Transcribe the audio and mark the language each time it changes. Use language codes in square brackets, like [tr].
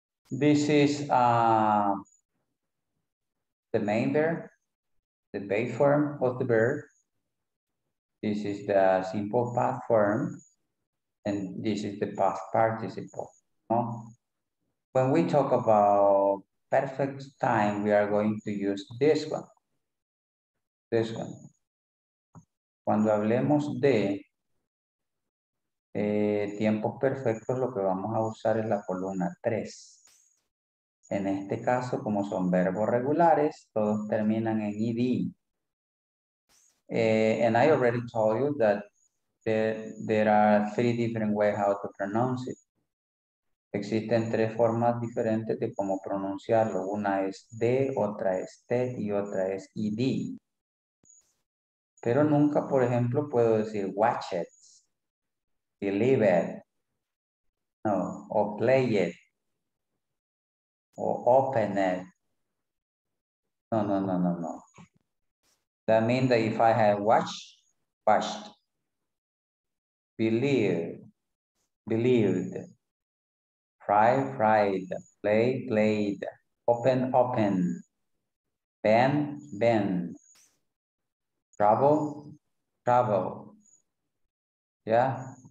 [en] This is the main verb, the base form of the verb. This is the simple past form, and this is the past participle. When we talk about perfect time, we are going to use this one. This one. [es] Cuando hablemos de tiempos perfectos, lo que vamos a usar es la columna 3. En este caso, como son verbos regulares, todos terminan en ED. [en] And I already told you that there are three different ways how to pronounce it. [es] Existen tres formas diferentes de cómo pronunciarlo. Una es D, otra es T y otra es ED. Pero nunca, por ejemplo, puedo decir [en] watch it, believe it, [es] no, o [en] play it, [es] o [en] open it. [es] No, no, no, no, no. [en] That means that if I have watched, believed, fried, played, open, bend, travel, yeah?